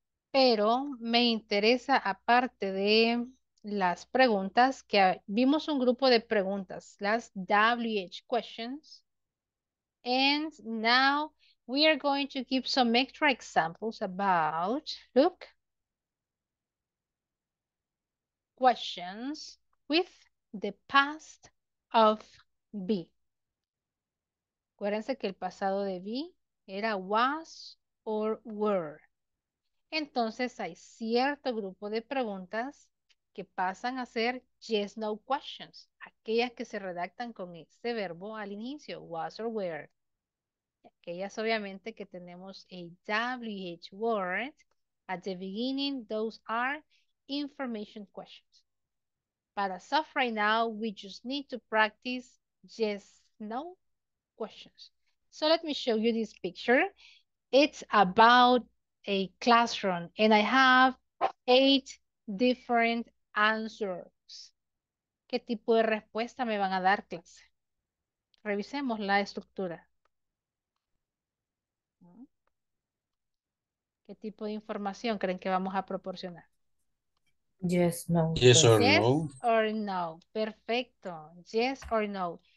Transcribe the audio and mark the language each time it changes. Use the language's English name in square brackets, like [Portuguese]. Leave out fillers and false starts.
[Spanish] Pero me interesa, aparte de las preguntas, que vimos un grupo de preguntas, las WH questions. [English] And now we are going to give some extra examples about, look, questions with the past of be. [Spanish] Acuérdense que el pasado de be era [English] was or were. [Spanish] Entonces hay cierto grupo de preguntas que pasan a ser [English] yes, no questions, [Spanish] aquellas que se redactan con este verbo al inicio, [English] was or were. [Spanish] Aquellas obviamente que tenemos [English] a WH word at the beginning, those are information questions. But as of right now, we just need to practice yes, no questions. So let me show you this picture. It's about a classroom and I have 8 different answers. [Spanish] ¿Qué tipo de respuesta me van a dar, clase? Revisemos la estructura. ¿Qué tipo de información creen que vamos a proporcionar? [English] Yes, no. Yes or no. Yes or no. Perfecto. Yes or no.